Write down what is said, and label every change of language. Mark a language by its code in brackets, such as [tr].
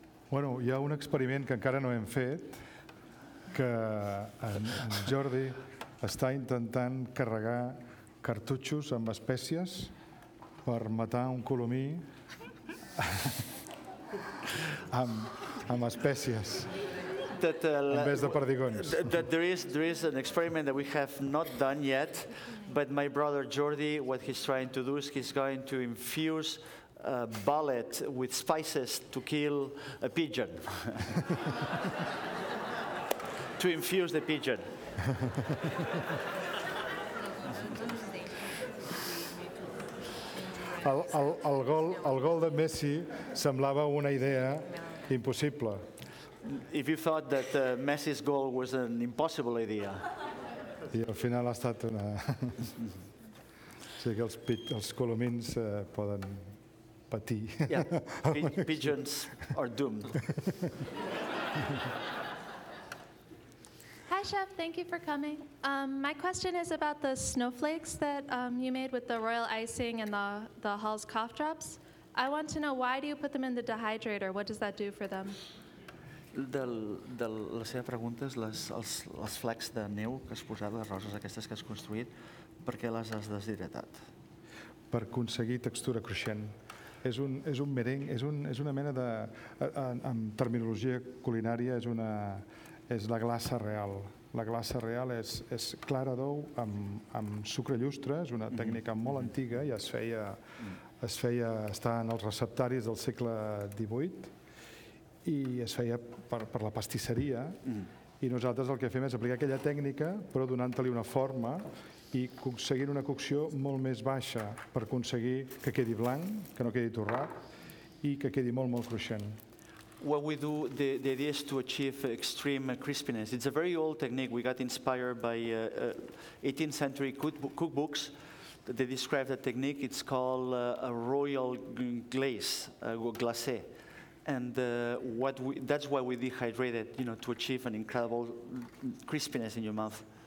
[ca] Bueno, hi ha un experiment que encara no hem fet, que en Jordi està intentant carregar cartutxos amb espècies per matar un colomí. amb espècies, [es] en vez de [ca] perdigons. [en] That there is an experiment that we have not done yet, but my brother Jordi, what he's trying to do is he's going to infuse bullet with spices to kill a pigeon. To infuse the pigeon. [ca] El gol de Messi semblava una idea impossible. [en] If you thought that Messi's goal was an impossible idea. [ca] I al final ha estat una... Sí, que els colomins poden patir. [en] Yeah, pigeons are doomed. Hi, Chef, thank you for coming. My question is about the snowflakes that you made with the royal icing and the Hall's cough drops. I want to know, why do you put them in the dehydrator? What does that do for them? [ca] De la seva pregunta és els flecs de neu que has posat, les roses aquestes que has construït, per què les has deshidratat? Per aconseguir textura cruixent. És un merengue, és una mena de... En terminologia culinària és la glaça real. La glaça real és clara d'ou amb sucre llustre, és una tècnica molt antiga, ja es feia estar en els receptaris del segle XVIII, i es feia per la pastisseria, i nosaltres el que fem és aplicar aquella tècnica, però donant-li una forma i aconseguint una cocció molt més baixa per aconseguir que quedi blanc, que no quedi torrat, i que quedi molt, molt cruixent. [en] What we do, the idea is to achieve extreme crispiness. It's a very old technique. We got inspired by 18th century cookbooks. They describe the technique. It's called a royal glaze, glacé. And that's why we dehydrated, you know, to achieve an incredible crispiness in your mouth.